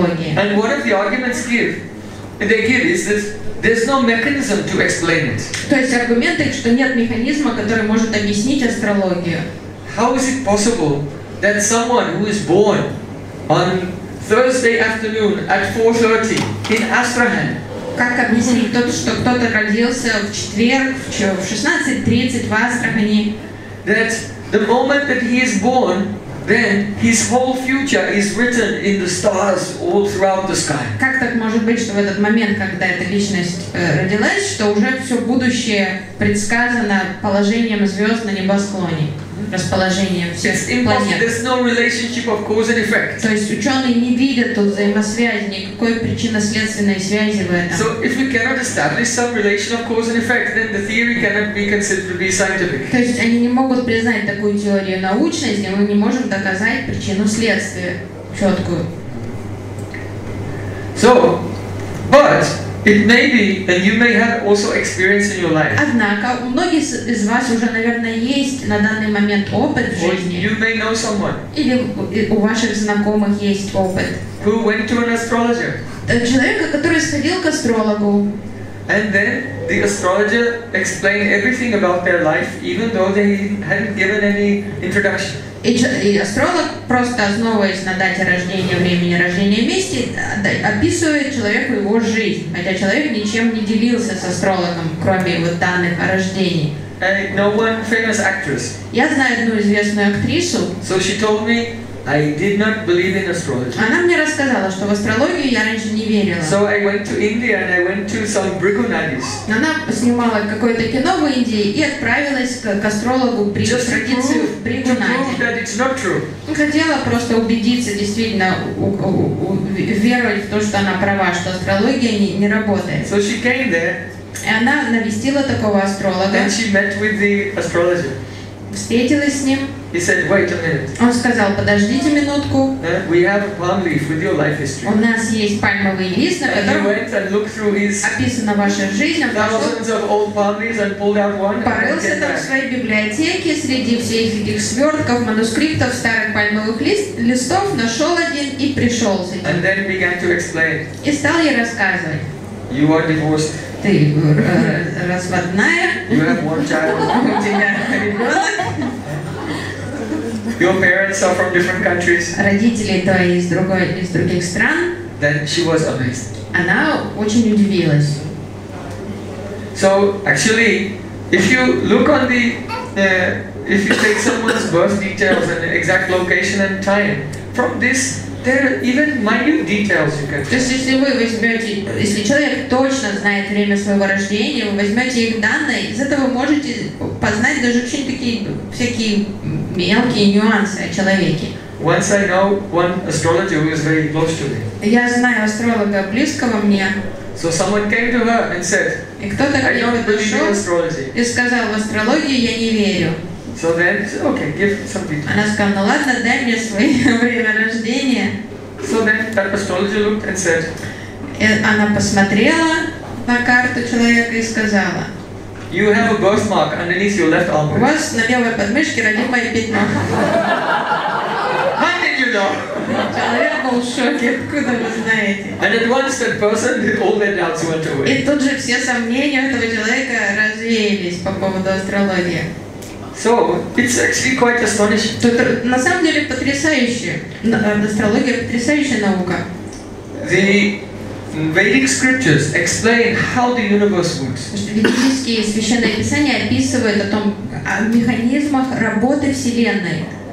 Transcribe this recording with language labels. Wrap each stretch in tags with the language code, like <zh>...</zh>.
<en>And what if the arguments they give is this. There's no mechanism to explain it.</en> <ru>То есть аргументы, что нет механизма, который может объяснить астрологию.</ru> <en>How is it possible that someone who is born on Thursday afternoon at 4:30 in Astrahan?</en> <ru>Как объяснить то, что кто-то родился в четверг в 16:30 в Астрахани?</ru> <en>That the moment that he is born, then his whole future is written in the stars all throughout the sky.</en> <ru>Как так может быть, что в этот момент, когда эта личность родилась, что уже все будущее предсказано положением звезд на небосклоне, расположением всех планет?</ru> <en>There's no relationship of cause and effect.</en> <ru>То есть ученые не видят тут взаимосвязи, никакой причинно-следственной связи в этом.</ru> <en>So if we cannot establish some relation of cause and effect, then the theory cannot be considered to be scientific.</en> <ru>То есть они не могут признать такую теорию научной, если мы не можем доказать причину следствия четкую.</ru> <en>So, but It may be, and you may have also experience in your life.</en> <ru>Однако у многих из вас уже, наверное, есть на данный момент опыт в жизни.</ru> <en>Or you may know someone.</en> <ru>Или у ваших знакомых есть опыт.</ru> <en>Who went to an astrologer?</en> <ru>Человека, который сходил к астрологу.</ru> <en>And then the astrologer explained everything about their life, even though they hadn't given any introduction.</en> <ru>И астролог, просто основываясь на дате рождения, времени рождения, месте, описывает человеку его жизнь, хотя человек ничем не делился с астрологом, кроме вот данных о рождении.</ru> <en>I know one famous actress.</en> <ru>Я знаю одну известную актрису.</ru> <en>So she told me, I did not believe in astrology.</en> <ru>Она мне рассказала, что в астрологию я раньше не верила.</ru> <en>So I went to India and I went to some Brihunadis.</en> <ru>Она снимала какое-то кино в Индии и отправилась к астрологу при традиции Брихунади. Хотела просто убедиться, действительно веровать в то, что она права, что астрология не работает.</ru> <en>So she came there.</en> <ru>И она навестила такого астролога.</ru> <en>And she met with the astrologer.</en> <ru>Встретилась с ним.</ru> <en>He said, "Wait a minute."</en> <ru>Он сказал, подождите минутку.</ru> <en>We have a palm leaf with your life history.</en> <ru>У нас есть пальмовый лист, на котором описана ваша жизнь.</ru> <en>Thousands of old palm leaves and pulled out one.</en> <ru>Порылся там в своей библиотеке среди всех этих свертков, манускриптов, старых пальмовых листов, нашел один и пришел с этим.</ru> <en>And then began to explain.</en> <ru>И стал ей рассказывать.</ru> <en>You are divorced.</en> <ru>Ты разводная.</ru> <en>You have one child.</en> <ru>У тебя ребенок.</ru> <en>Your parents are from different countries.</en> <ru>Родители твои из других стран.</ru> <en>Then she was amazed.</en> <ru>Она очень удивилась.</ru> <en>So actually, if you look on the, if you take someone's birth details and exact location and time, from this there are even minute details you can.</en> <ru>То есть если вы возьмете, если человек точно знает время своего рождения, вы возьмете их данные, из этого можете познать даже очень такие всякие мелкие нюансы о человеке.</ru> <en>Once I know one astrologer who is very close to me.</en> <ru>Я знаю астролога близкого мне.</ru> <en>So someone came to her and said,</en> <ru>и кто-то к ней подошел и сказал, в астрологию я не верю.</ru> <en>So then, okay, give some details.</en> <ru>Она сказала, ну ладно, дай мне свое время рождения.</ru> <en>So then that astrologer looked and said,</en> <ru>она посмотрела на карту человека и сказала,</ru> <en>you have a birthmark underneath your left arm.</en> <ru>У вас на левой подмышке родимое пятно.</ru> <en>How did you know?</en> <ru>Человек был в шоке. Откуда вы знаете?</ru> <en>And at once that person, all their doubts went away.</en> <ru>И тут же все сомнения этого человека развеялись по поводу астрологии.</ru> <en>So it's actually quite astonishing.</en> <ru>Тут на самом деле потрясающе. Астрология потрясающая наука.</ru> <en>The Vedic scriptures explain how the universe works.</en> <ru>Ведические священные писания описывают о том, о механизмах работы вселенной.</ru>